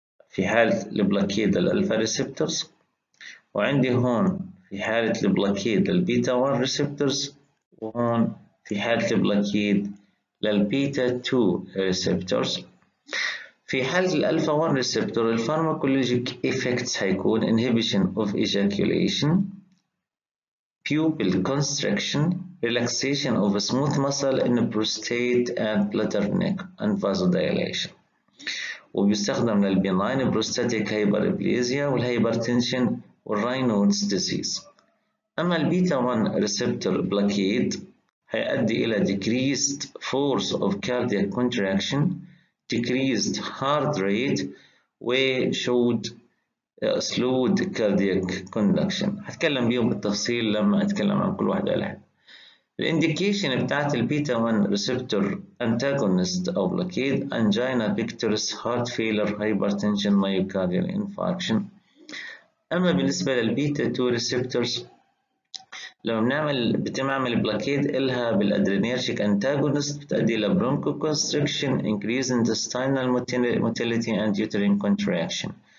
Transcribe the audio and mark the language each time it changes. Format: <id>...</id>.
<ar>في حالة البلاكيد الألفا ريسبتورز، وعندي هون في حالة البلاكيد البيتا 1 ريسبتورز، وهون في حالة البلاكيد للبيتا 2 ريسبتورز. في حالة الألفا 1 ريسبتور الفارماكولوجيك إيفكتس هيكون</ar> <en>inhibition of ejaculation, pupil constriction, relaxation of a smooth muscle in the prostate and bladder neck, and vasodilation.</en> <ar>وبيستخدم للبنين البروستاتيك هايبربليزيا والهايبرتنشن والراينودز ديزيز. أما البيتا 1 ريسبتور بلاكيد هيؤدي إلى</ar> <en>decreased force of cardiac contraction, decreased heart rate, وشود slowed cardiac conduction.</en> <ar>هتكلم بيهم بالتفصيل لما أتكلم عن كل واحدة لحد. الانديكيشن بتاعت البيتا 1 ريسبتور انتاغونست او بلاكيد انجينا بيكتورس، هارت فيلر، هايبرتنشن، مايوكارديال انفاركشن. اما بالنسبه للبيتا 2 ريسبتورز لو بتعمل بلاكيد الها بالادرينيرجيك انتاغونست بتؤدي لبرونكو كونستريكشن،</ar> <en>Increase intestinal motility and uterine contraction.</en>